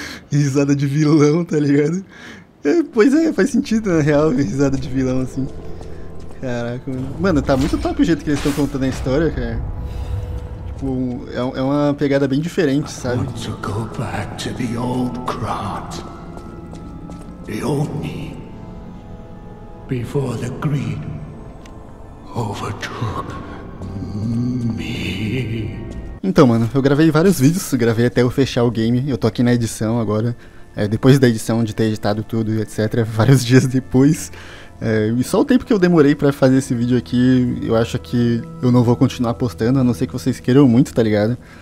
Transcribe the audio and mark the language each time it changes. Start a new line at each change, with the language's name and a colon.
Portuguese: Risada de vilão, tá ligado? É, pois é, faz sentido, na real, risada de vilão, assim. Caraca, mano, tá muito top o jeito que eles estão contando a história, cara. Tipo, é uma pegada bem diferente, sabe? Eu quero voltar para o velho Krat. Eoni.
English: Before the green overtook me.
Portuguese: Então, mano, eu gravei vários vídeos, gravei até eu fechar o game, eu tô aqui na edição agora, depois da edição, de ter editado tudo e etc, vários dias depois, e só o tempo que eu demorei pra fazer esse vídeo aqui, eu acho que eu não vou continuar postando, a não ser que vocês queiram muito, tá ligado?